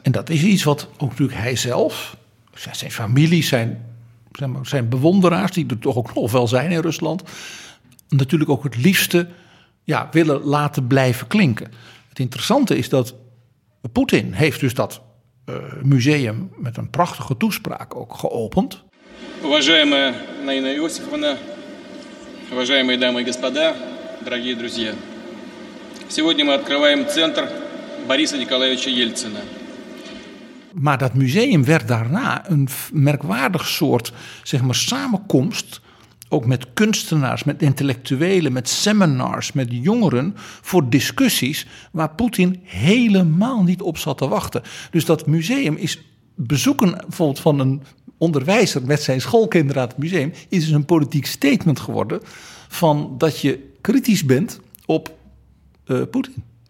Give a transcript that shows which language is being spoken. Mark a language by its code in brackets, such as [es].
[nl] En dat is iets wat ook natuurlijk hij zelf, zijn familie, zijn bewonderaars, die er toch ook nog wel zijn in Rusland, natuurlijk ook het liefste willen laten blijven klinken. Het interessante is dat Poetin heeft dus dat museum met een prachtige toespraak ook geopend. [ru] Уважаемая Наина Иосифовна, уважаемые дамы и господа, дорогие друзья. Сегодня мы открываем центр Бориса Николаевича Ельцина. [nl] Maar dat museum werd daarna een merkwaardig soort, zeg maar, samenkomst, ook met kunstenaars, met intellectuelen, met seminars, met jongeren, voor discussies waar Poetin helemaal niet op zat te wachten. Dus dat museum is bezoeken bijvoorbeeld van een onderwijzer met zijn schoolkinderen aan het museum, is dus een politiek statement geworden van dat je kritisch bent op Poetin.